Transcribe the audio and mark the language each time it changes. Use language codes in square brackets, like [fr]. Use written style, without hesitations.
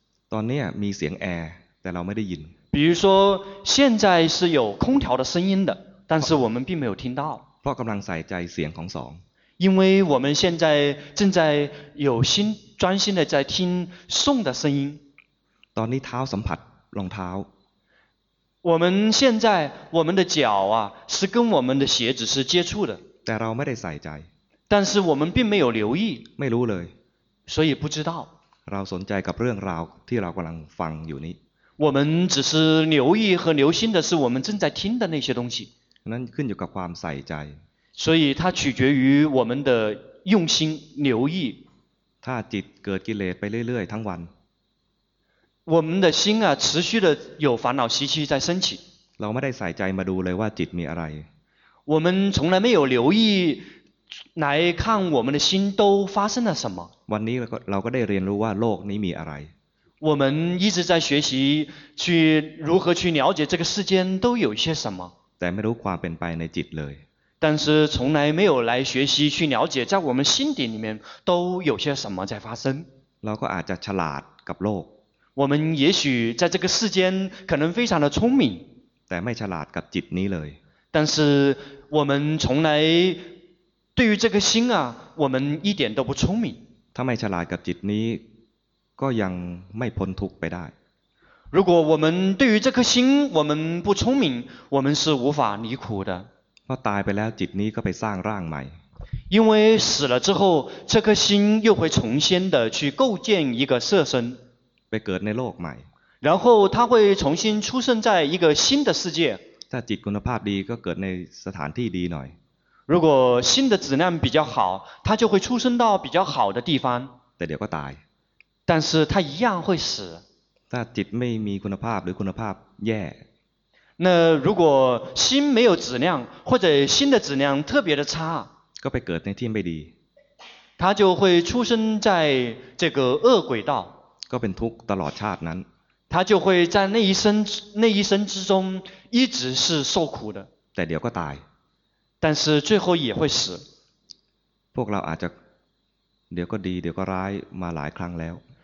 [th] ตอนนี้มีเสียงแอร์แต่เราไม่ได้ยิน [zh] 比如说现在是有空调的声音的但是我们并没有听到 [th] เพราะกำลังใส่ใจเสียงของสอง [zh] 因为我们现在正在有心专心的在听诵的声音 [th] ตอนนี้เท้าสัมผัสรองเท้า [zh] 我们的脚啊是跟我们的鞋子是接触的 [th] แต่เราไม่ได้ใส่ใจ [zh] 但是我们并没有留意 [th] ไม่รู้เลย [zh] 所以不知道 [th] เราสนใจกับเรื่องราวที่เรากำลังฟังอยู่นี้ [zh] 我们只是留意和留心的是我们正在听的那些东西 [th] นั้นขึ้นอยู่กับความใส่ใจ [zh] 所以它取决于我们的用心留意 [th] ถ้าจิตเกิดกิเลสไปเรื่อยๆทั้งวัน [zh] 我们的心啊持续的有烦恼习气在升起 [th] เราไม่ได้ใส่ใจมาดูเลยว่าจิตมีอะไร [zh] 我们从来没有留意来看我们的心都发生了什么 [th] วันนี้เราก็ได้เรียนรู้ว่าโลกนี้มีอะไร [zh] 我们一直在学习去如何去了解这个世间都有些什么 [th] แต่ไม่รู้ความเป็นไปในจิตเลย [zh] 但是从来没有来学习去了解在我们心底里面都有些什么在发生 [th] เราก็อาจจะฉลาดกับโลก [zh] 我们也许在这个世间可能非常的聪明 [th] แต่ไม่ฉลาดกับจิตนี้เลย [zh] 但是我们从来对于这个心啊我们一点都不聪明 [th] ถ้าไม่ฉลาดกับจิตนี้ก็ยังไม่พ้นทุกข์ไปได้ [zh] 如果我们对于这颗心我们不聪明我们是无法离苦的 [th] พอตายไปแล้วจิตนี้ก็ไปสร้างร่างใหม่ [zh] 因为死了之后这颗心又会重新的去构建一个色身 [th] ไปเกิดในโลกใหม่ [zh] 然后它会重新出生在一个新的世界 [th] ถ้าจิตคุณภาพดีก็เกิดในสถานที่ดีหน่อย [zh] 如果心的质量比较好他就会出生到比较好的地方 [th] แต่เดี๋ยวก็ตาย [zh] 但是他一样会死 [th] ถ้าจิตไม่มีคุณภาพหรือคุณภาพแย่ [zh] 那如果心没有质量或者心的质量特别的差 [th] ก็ไปเกิดในที่ไม่ดี [zh] 他就会出生在这个恶轨道 [th] ก็เป็นทุกข์ตลอดชาตินั้น [zh] 他就会在那一生之中一直是受苦的 [th] แต่เดี๋ยวก็ตาย แต่สุดท้ายก็ยังต ายพวกเราอาจจะเดี๋ยวก็ดีเดี๋ยวก็ร้ายมาหลายครั้งแล้ว